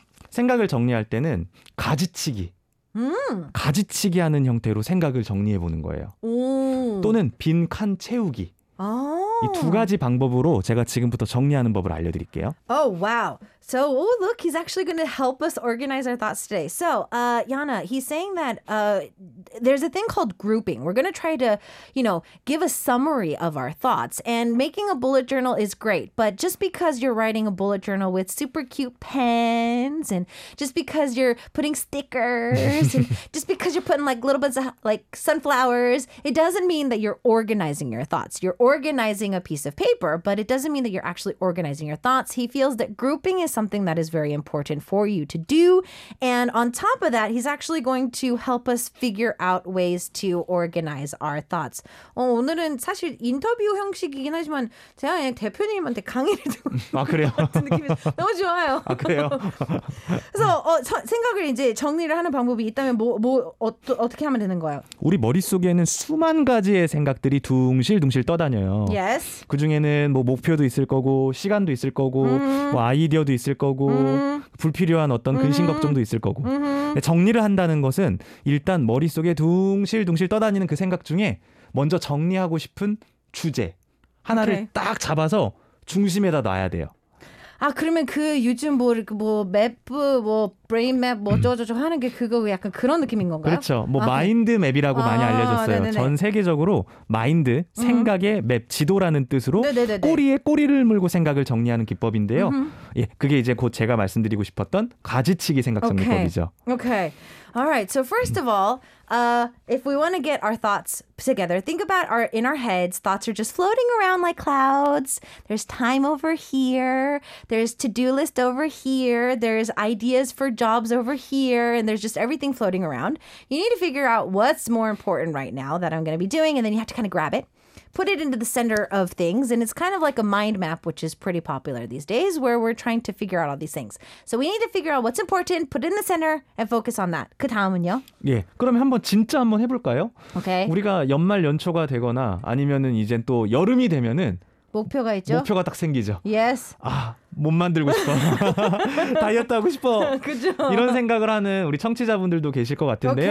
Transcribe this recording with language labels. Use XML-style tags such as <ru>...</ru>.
<ko>생각을 정리할 때는 가지치기. 가지치기 하는 형태로 생각을 정리해 보는 거예요. 오. 또는 빈 칸 채우기. 아. 이 두 가지 방법으로 제가 지금부터 정리하는 법을 알려드릴게요.</ko> <en>Oh, wow. So, oh, look, he's actually going to help us organize our thoughts today. So, Yana, he's saying that there's a thing called grouping. We're going to try to, you know, give a summary of our thoughts. And making a bullet journal is great. But just because you're writing a bullet journal with super cute pens and just because you're putting stickers and just because you're putting like little bits of like sunflowers, it doesn't mean that you're organizing your thoughts. You're organizing a piece of paper, but it doesn't mean that you're actually organizing your thoughts. He feels that grouping is something that is very important for you to do. And on top of that, he's actually going to help us figure out ways to organize our thoughts.</en> <ko>오늘은 사실 인터뷰 형식이긴 하지만 제가 그냥 대표님한테 강의를 듣고 아, 그래요? 같은 느낌이 너무 좋아요. 아, 그래요? 그래서 생각을 이제 정리를 하는 방법이 있다면 어떻게 하면 되는 거예요? 우리 머릿속에는 수만 가지의 생각들이 둥실둥실 떠다녀요.</ko> <en>Yes.</en> <ko>그 중에는 뭐 목표도 있을 거고 시간도 있을 거고 뭐 아이디어도 있을 거고 불필요한 어떤 근심 걱정도 있을 거고 정리를 한다는 것은 일단 머릿속에 둥실둥실 떠다니는 그 생각 중에 먼저 정리하고 싶은 주제 하나를 okay. 딱 잡아서 중심에다 놔야 돼요. 아 그러면 그 요즘 뭐 맵프 뭐 브레인맵 뭐 저저저 하는 게 그거 약간 그런 느낌인 건가요? 그렇죠. 뭐 마인드 맵이라고 많이 알려졌어요. 네네네. 전 세계적으로 마인드 생각의 맵 지도라는 뜻으로 네네네네. 꼬리에 꼬리를 물고 생각을 정리하는 기법인데요. 예, 그게 이제 곧 제가 말씀드리고 싶었던 가지치기 생각 정리법이죠.</ko> <en>오케이. All right. So first of all, if we want to get our thoughts together, think about our in our heads. Thoughts are just floating around like clouds. There's time over here. There's to-do list over here. There's ideas for jobs over here. And there's just everything floating around. You need to figure out what's more important right now that I'm going to be doing. And then you have to kind of grab it. Put it into the center of things. And it's kind of like a mind map, which is pretty popular these days, where we're trying to figure out all these things. So we need to figure out what's important, put it in the center, and focus on that.</en> <ko>그 다음은요? 예, 그러면 한번 진짜 한번 해볼까요?</ko> <en>Okay.</en> <ko>우리가 연말 연초가 되거나 아니면은 이제 또 여름이 되면은 목표가 있죠? 목표가 딱 생기죠.</ko> <en>Yes.</en> <ko>아, 몸 만들고 싶어. 다이어트 하고 싶어. 그죠? 이런 생각을 하는 우리 청취자분들도 계실 것 같은데요.</ko>